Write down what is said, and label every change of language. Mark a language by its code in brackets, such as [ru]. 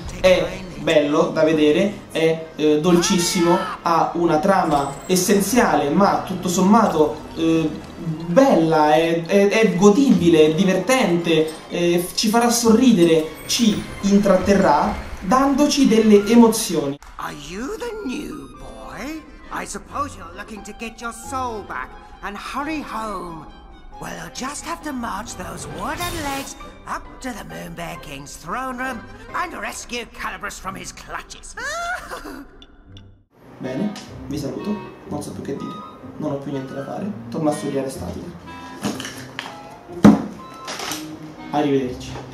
[it] È bello da vedere, è dolcissimo, ha una trama essenziale ma tutto sommato bella, è godibile, è divertente, ci farà sorridere, ci intratterrà dandoci delle emozioni. [en] Are you the new boy? I suppose you're looking to get your soul back and hurry home. Well, you'll just have to march those wooden legs up to the Moonbear King's throne room and rescue Calibus from his clutches. [it] Bene, vi saluto. Non so più che dire. Non ho più niente da fare. Torno a studiare statica. Arrivederci.